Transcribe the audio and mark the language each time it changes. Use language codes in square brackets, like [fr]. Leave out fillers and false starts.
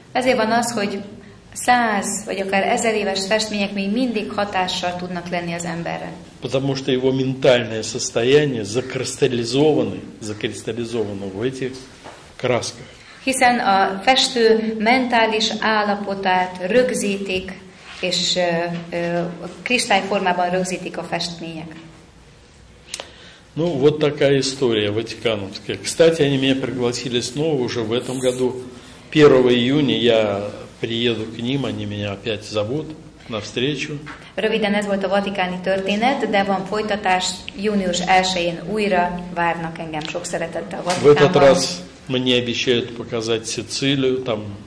[hu] Ezért van az, hogy 100 vagy akár 1000 éves festmények még mindig hatással tudnak lenni az emberre. [ru] Потому что его ментальное состояние закристаллизовано в этих красках. [hu] Hiszen a festő mentális állapotát rögzítik, és kristályformában rögzítik a festmények. [ru] Ну, вот такая история ватикановская. Кстати, они меня пригласили снова уже в этом году. 1 июня я приеду к ним, они меня опять зовут на встречу. [hu] Röviden ez volt a vatikáni történet, de van folytatás, június 1-én újra várnak engem sok szeretettel a Vatikánban. [ru] Мне обещают показать Сицилию там.